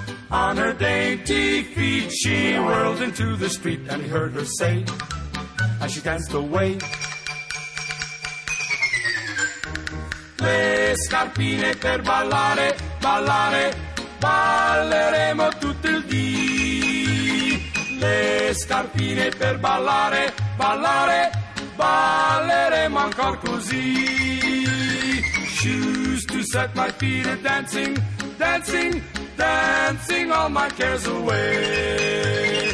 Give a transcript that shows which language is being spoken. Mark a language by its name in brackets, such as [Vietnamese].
[English] On her dainty feet she whirled into the street, and he heard her say as she danced away, [Italian] le scarpine per ballare, ballare, balleremo tutto il dì. Le scarpine per ballare, ballare, balleremo ancor così. [English] Shoes to set my feet a dancing, dancing, dancing all my cares away.